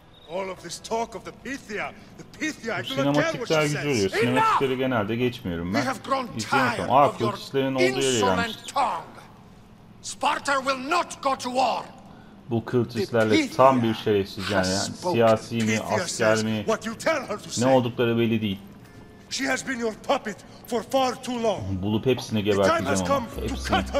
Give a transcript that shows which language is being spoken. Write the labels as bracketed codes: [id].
[en] All of this talk of the Pythia. [tr] Bu sinematikler güzel oluyor. Sinematikleri genelde geçmiyorum ben. İzleyemiyorum. Kılıçların olduğu yere gelmiş. [en] Sparta will not go to war. [tr] Bu kılıçlarla tam bir şerefsiz yani. Siyasi mi, asker mi, ne oldukları belli değil. [en] She has been your puppet for far too long. [tr] Bulup hepsini geberteceğim ama.